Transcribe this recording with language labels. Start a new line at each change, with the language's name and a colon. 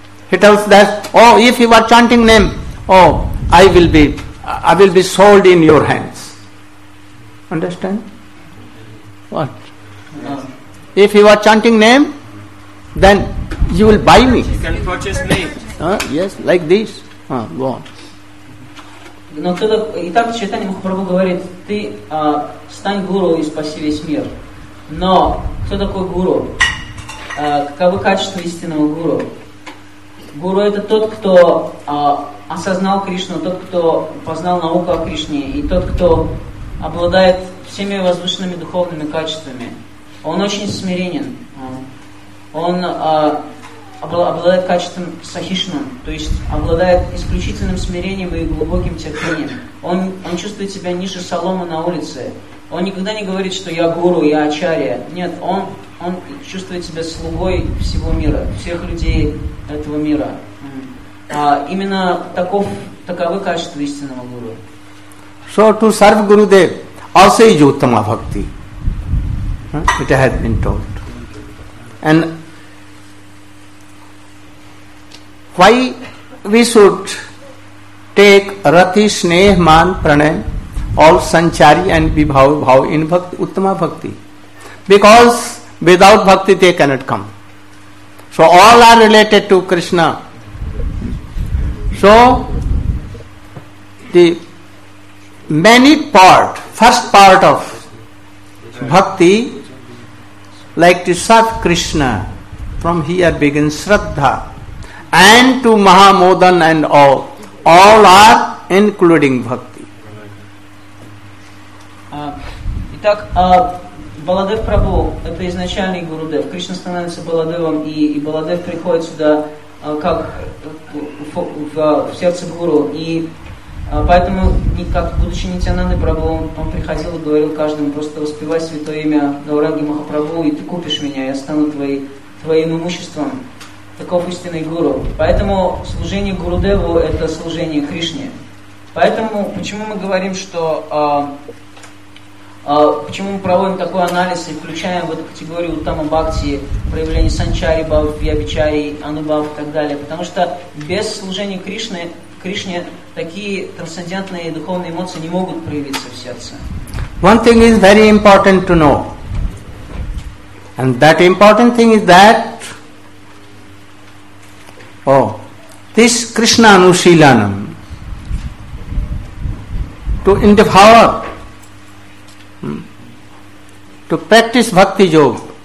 English: He tells that, if you are chanting name, I will be sold in your hands. Understand? What? Yes. If you are chanting name, then you will buy me. You can purchase me. Yes, like this. Go on.
Russian: Но тогда и так Чайтанья Махапрабху говорит: ты стань гуру и спаси весь мир. Но кто такой гуру? Каковы качества истинного гуру? Гуру это тот, кто осознал Кришну, тот, кто познал науку о Кришне, и тот, кто обладает всеми возвышенными духовными качествами. Он очень смиренен. Он обладает качеством сахишна, то есть обладает исключительным смирением и глубоким терпением. Он чувствует себя ниже соломы на улице. Он никогда не говорит, что я гуру, я ачария. Нет, он чувствует себя слугой всего мира, всех людей этого мира. Именно таковы качества истинного гуру.
English: So to serve Gurudev also is uttama bhakti. It has been told. And why we should take rati, sneha, man, pranay, all sanchari and vibhav, bhav in bhakti, uttama bhakti? Because without bhakti they cannot come. So all are related to Krishna. So, the many part, first part of bhakti, like to serve Krishna, from here begins Shraddha, and to Mahamodan and all are including bhakti.
Russian: Итак, Баладев Прабху, это изначальный Гурудев. Кришна становится Баладевом, и Баладев приходит сюда как в сердце гуру. И Поэтому, как будучи Нитянандой Прабху, он приходил и говорил каждому, просто воспевай святое имя Гауранги Махапрабху, и ты купишь меня, я стану твоим имуществом. Таков истинный гуру. Поэтому служение Гурудеву – это служение Кришне. Поэтому, почему мы говорим, что... почему мы проводим такой анализ и включаем в эту категорию Уттама Бхакти, проявление Санчари Бхав, Вьябичари, Анубав и так далее? Потому что без служения Кришне... Кришне такие трансцендентные духовные эмоции не могут проявиться в сердце.
English: One thing is very important to know. And that important thing is that this Krishna Anushilanam to endeavor to practice Bhakti Yoga.